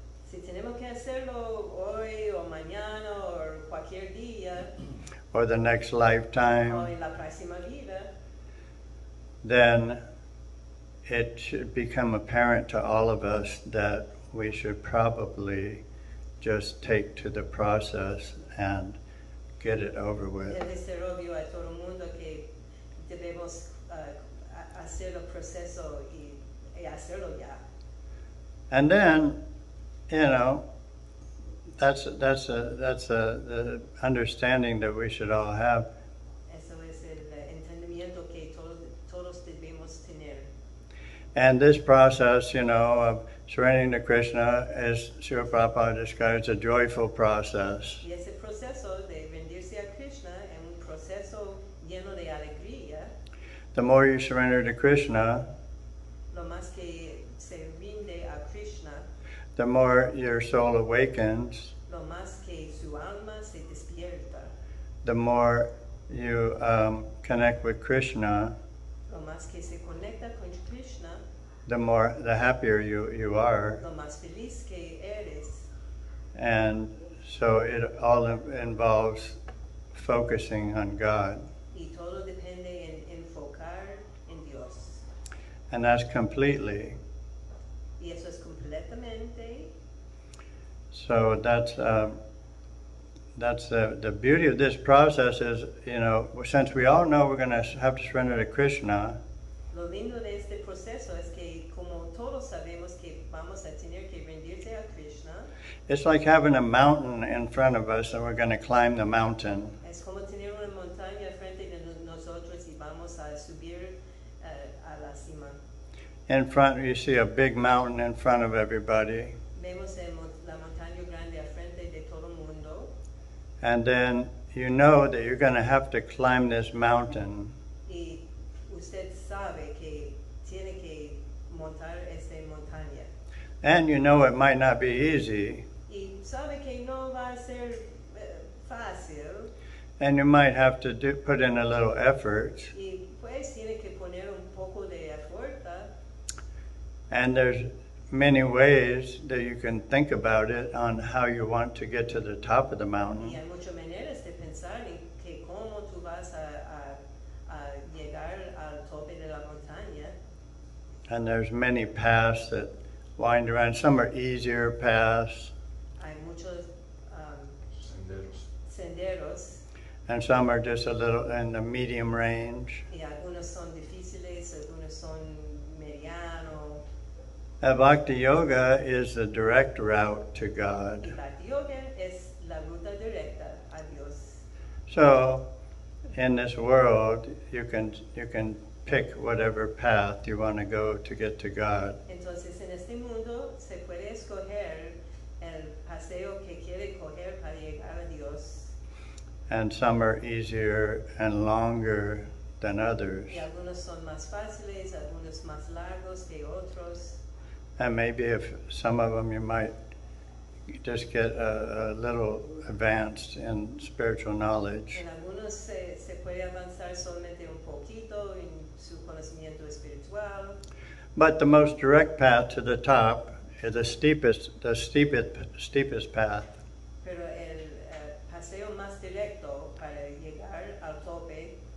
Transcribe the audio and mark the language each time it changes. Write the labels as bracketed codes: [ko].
[es] Si tenemos que hacerlo hoy o mañana o cualquier día. [en] Or the next lifetime. [es] O en la próxima vida. [en] Then it should become apparent to all of us that we should probably just take to the process and get it over with. [es] Debe ser obvio a todo el mundo que debemos hacer el proceso y hacerlo ya. [en] And then, you know, that's the understanding that we should all have. [es] Eso es el entendimiento que todos debemos tener. [en] And this process, you know, of surrendering to Krishna, as Srila Prabhupada described, it's a joyful process. [es] Y ese proceso de rendirse a Krishna es un proceso lleno de alegría. [en] The more you surrender to Krishna, [es] lo más que se rinde a Krishna, [en] the more your soul awakens, [es] lo más que su alma se despierta, [en] the more you connect with Krishna, [es] lo más que se conecta con Krishna, [en] the happier you are. [es] Lo más feliz que eres. [en] And so it all involves focusing on God. [es] Y todo depende en enfocar en Dios. [en] And that's completely. [es] Y eso es completamente. [en] So that's the beauty of this process is, you know, since we all know we're going to have to surrender to Krishna. [es] Lo lindo de este proceso es que como todos sabemos que vamos a tener que rendirse a Krishna. [en] It's like having a mountain in front of us and we're going to climb the mountain. [es] Es como tener una montaña frente de nosotros y vamos a subir a la cima. [en] In front, you see a big mountain in front of everybody. [es] Vemos la montaña grande al frente de todo el mundo. [en] And then you know that you're going to have to climb this mountain. [es] usted sabe que tiene que montar esa montaña. [en] And you know it might not be easy. [es] Y sabe que no va a ser fácil. [en] And you might have to put in a little effort. [es] Y pues tiene que poner un poco de esfuerzo. [en] And there's many ways that you can think about it on how you want to get to the top of the mountain. [es] Y hay muchas maneras de pensar en que cómo tú vas a llegar al tope de la montaña. [en] And there's many paths that wind around. Some are easier paths. [es] Hay muchos senderos. [en] And some are just a little in the medium range. [es] Y algunos son difíciles, algunos son mediano. [en] And Bhakti Yoga is the direct route to God. [es] Bhakti Yoga es la ruta directa a Dios. [en] So, in this world, you can pick whatever path you want to go to get to God. [es] Entonces, en este mundo, se puede escoger el paseo que quiere coger para llegar a Dios. [en] And some are easier and longer than others. [es] Y algunos son más fáciles, algunos más largos que otros. [en] And maybe if some of them you might just get a little advanced in spiritual knowledge. [es] En algunos se puede avanzar solamente un poquito en su conocimiento espiritual. [en] But the most direct path to the top is the steepest path. [es] Pero el paseo más directo para llegar al tope.